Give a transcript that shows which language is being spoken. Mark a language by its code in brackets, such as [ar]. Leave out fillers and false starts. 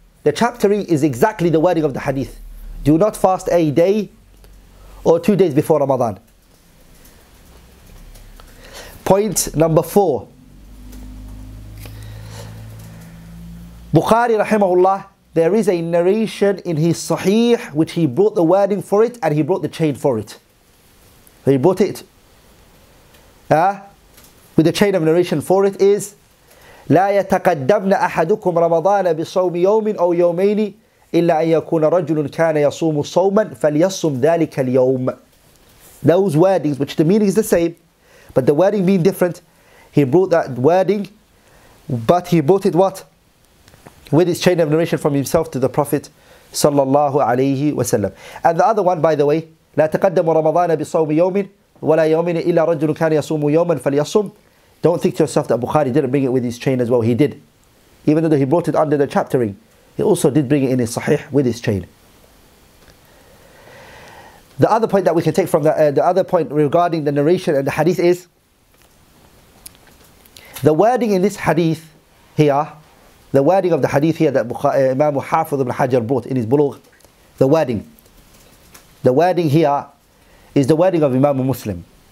[en] The chaptering is exactly the wording of the hadith. Do not fast a day or 2 days before Ramadan. Point number four. Bukhari rahimahullah, there is a narration in his Sahih which he brought the wording for it and he brought the chain for it. He brought it with the chain of narration for it is [ar] لا يتقدمن أحدكم رمضان بصوم يوم أو يومين إلا أن يكون رجل كان يصوم صوما فليصم ذلك اليوم. [en] Those wordings, which the meaning is the same, but the wording being different, he brought that wording, but he brought it what? With his chain of narration from himself to the Prophet [ar] صلى الله عليه وسلم. [en] And the other one, by the way, [ar] لا تقدم رمضان بصوم يوم ولا يومين إلا رجل كان يصوم يوما فليصم. [en] Don't think to yourself that Bukhari didn't bring it with his chain as well. He did. Even though he brought it under the chaptering, he also did bring it in his Sahih with his chain. The other point that we can take from that, the other point regarding the narration and the hadith is, the wording in this hadith here, the wording of the hadith here that Imam Hafiz ibn Hajar brought in his Bulugh, the wording here is the wording of Imam Muslim.